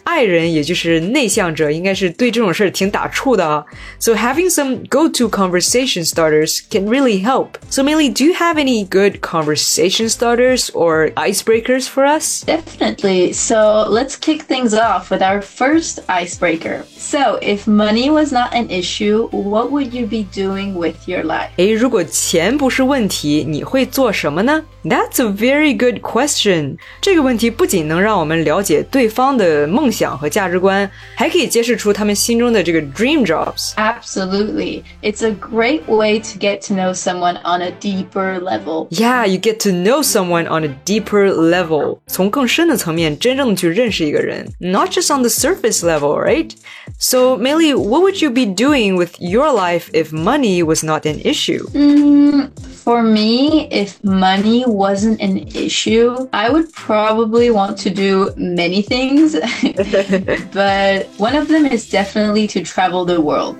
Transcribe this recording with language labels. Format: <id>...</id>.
<zh>爱人也就是内向者应该是对这种事挺打怵的、啊、</zh> <en>So having some go-to conversation starters can really help. So Meili, do you have any good conversation starters or icebreakers for us? Definitely. So let's kick things off with our first icebreaker. So if money was not an issue, what would you be doing with your life?</en> <zh>诶，如果钱不是问题，你会做什么呢？</zh> <en>That's a very good question.</en> <zh>这个问题不仅能让我们了解对方的梦想和价值观，还可以揭示出他们心中的这个 dream jobs.</zh> <en>Absolutely. It's a great way to get to know someone on a deeper level. Yeah, you get to know someone on a deeper level.</en> <zh>从更深的层面真正的去认识一个人。</zh> <en>Not just on the surface level, right? So, Meili, what would you be doing with your life if money was not an issue? For me, if money wasn't an issue, I would probably want to do many things. But one of them is definitely to travel the world.</en>